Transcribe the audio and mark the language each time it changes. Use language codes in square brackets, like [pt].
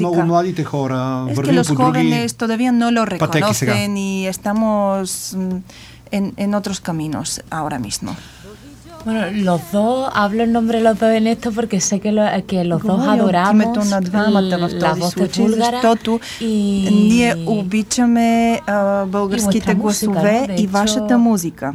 [bg] много младите хора, вървим по други патеки сега. [es] И estamos en otros caminos ahora mismo. Bueno, los dos, hablo en nombre de los dos en esto porque sé que los dos adoramos [bg] на двамата в този случай, защото ние обичаме българските гласове и вашата музика.